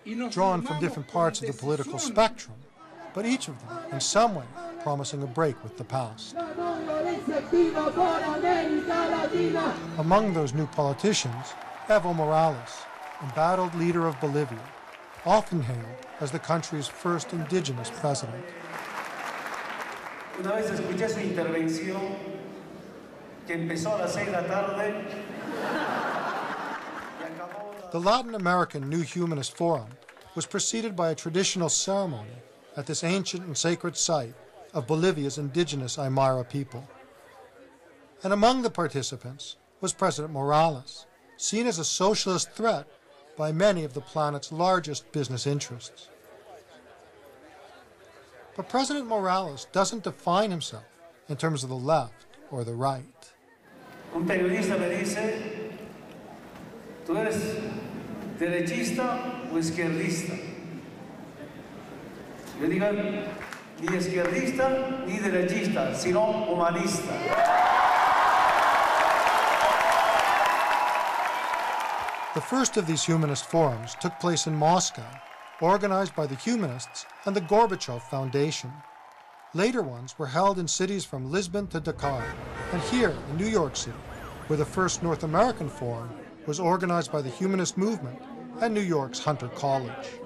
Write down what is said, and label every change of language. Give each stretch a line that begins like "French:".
English: Drawn from different parts of the political spectrum, but each of them, in some way, promising a break with the past. Among those new politicians, Evo Morales, embattled leader of Bolivia, often hailed as the country's first indigenous president.
Spanish: Una vez escuché su intervención que empezó a las 6 de la tarde.
English: The Latin American New Humanist Forum was preceded by a traditional ceremony at this ancient and sacred site of Bolivia's indigenous Aymara people. And among the participants was President Morales, seen as a socialist threat by many of the planet's largest business interests. But President Morales doesn't define himself in terms of the left or the right.
Spanish: Un periodista me dice, ¿tú eres derechista o izquierdista? Yo digo, ni izquierdista ni derechista, sino humanista.
English: The first of these humanist forums took place in Moscow, organized by the humanists and the Gorbachev Foundation. Later ones were held in cities from Lisbon to Dakar, and here in New York City, where the first North American forum was organized by the humanist movement and New York's Hunter College.